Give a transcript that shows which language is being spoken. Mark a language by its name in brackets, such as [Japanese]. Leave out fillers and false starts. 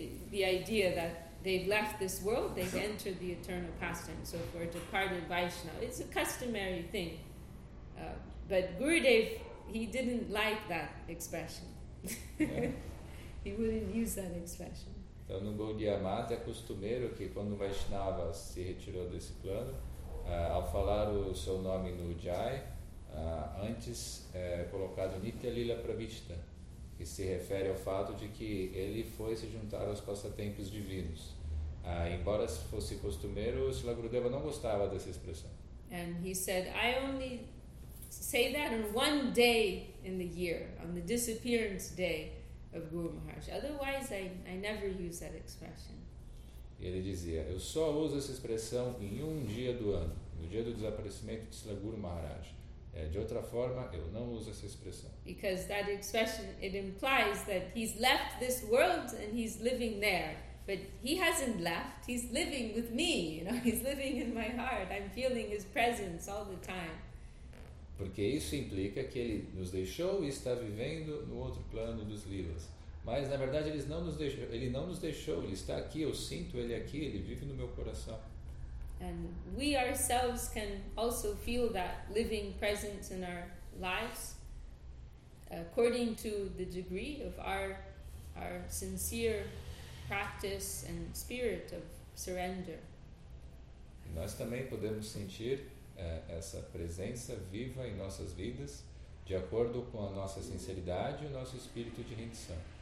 [English] The idea that they've left this world, they've entered the eternal pastime. So for a departed Vaishnava, it's a customary thing. But Gurudev, he didn't like that expression. He wouldn't use that expression. [Portuguese] Então, no Gaudiya Math, é costumeiro que quando o Vaishnava se retirou desse plano, ao falar o seu nome no Jai, antes é colocado Nitya Lila Pravishta, que se refere ao fato de que ele foi se juntar aos passatempos divinos. Embora fosse costumeiro, Srila Gurudeva não gostava dessa expressão. [English] And he said, I only say that on one day in the year, on the disappearance day of Guru Maharaj. Otherwise, I never use that expression. [Portuguese] E ele dizia, eu só uso essa expressão em um dia do ano, no dia do desaparecimento de Srila Guru Maharaj. De outra forma, eu não uso essa expressão. [English] Because that expression, it implies that he's left this world and he's living there. But he hasn't left, he's living with me, you know, he's living in my heart. I'm feeling his presence all the time. [Portuguese] Porque isso implica que ele nos deixou e está vivendo no outro plano dos lilas. Mas na verdade ele não nos deixou, ele está aqui, eu sinto ele aqui, ele vive no meu coração. [English] And we ourselves can also feel that living presence in our lives according to the degree of our sincere practice and spirit of surrender. [Portuguese] E nós também podemos sentir essa presença viva em nossas vidas de acordo com a nossa sinceridade e o nosso espírito de rendição.